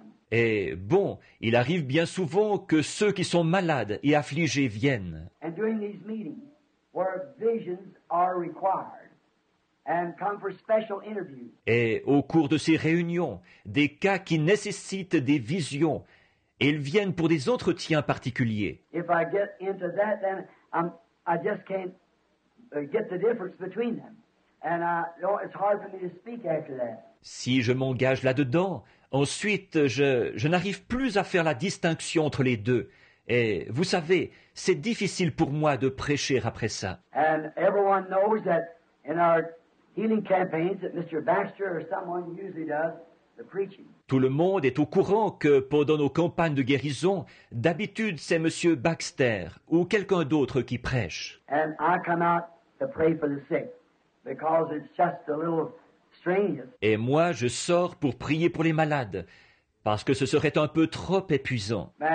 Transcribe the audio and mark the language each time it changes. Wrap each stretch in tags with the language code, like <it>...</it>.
<fr>Et bon, il arrive bien souvent que ceux qui sont malades et affligés viennent.</fr> <en>And during these meetings, where visions are required and come for special interviews.</en> <fr>Et au cours de ces réunions, des cas qui nécessitent des visions, ils viennent pour des entretiens particuliers.</fr> <en>If I get into that, then I just can't get the difference between them. And it's hard for me to speak after that.</en> <fr>Si je m'engage là-dedans, ensuite je n'arrive plus à faire la distinction entre les deux. Et vous savez, c'est difficile pour moi de prêcher après ça.</fr> <en>And everyone knows that in our healing campaigns that Mr. Baxter or someone usually does the preaching.</en> <fr>Tout le monde est au courant que pendant nos campagnes de guérison, d'habitude c'est Monsieur Baxter ou quelqu'un d'autre qui prêche.</fr> <en>And I cannot pray for the sick because it's just a little strange.</en> <fr>Et moi, je sors pour prier pour les malades. Parce que ce serait un peu trop épuisant.</fr>